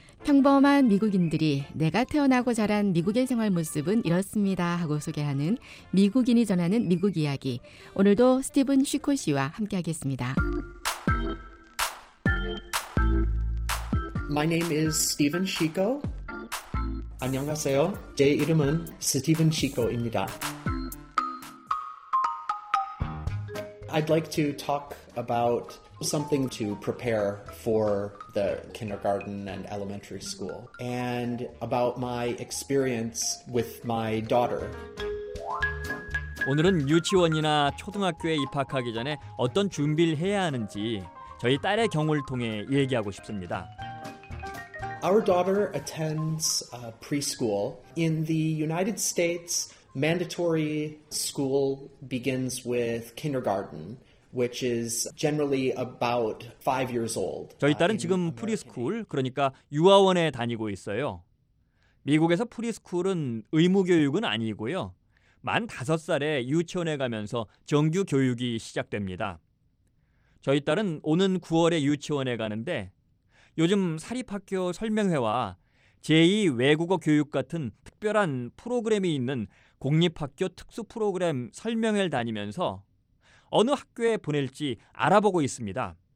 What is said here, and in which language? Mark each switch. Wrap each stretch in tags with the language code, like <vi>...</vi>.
<ko>평범한 미국인들이 내가 태어나고 자란 미국의 생활 모습은 이렇습니다 하고 소개하는 미국인이 전하는 미국 이야기. 오늘도 스티븐 쉬코 씨와 함께 하겠습니다.</ko> <en>My name is Stephen Shiko.</en> <ko>안녕하세요. 제 이름은 스티븐 시코입니다.</ko> <en>I'd like to talk about something to prepare for the kindergarten and elementary school and about my experience with my daughter.</en> <ko>오늘은 유치원이나 초등학교에 입학하기 전에 어떤 준비를 해야 하는지 저희 딸의 경우를 통해 얘기하고 싶습니다.</ko> <en>Our daughter attends preschool. In the United States, mandatory school begins with kindergarten, which is generally about 5 years old.</en> <ko>저희 딸은 지금 프리스쿨, 그러니까 유아원에 다니고 있어요. 미국에서 프리스쿨은 의무 교육은 아니고요. 만 5살에 유치원에 가면서 정규 교육이 시작됩니다. 저희 딸은 오는 9월에 유치원에 가는데 요즘 사립학교 설명회와 제2 외국어 교육 같은 특별한 프로그램이 있는 공립학교 특수 프로그램 설명회를 다니면서 어느 학교에 보낼지 알아보고 있습니다.</ko>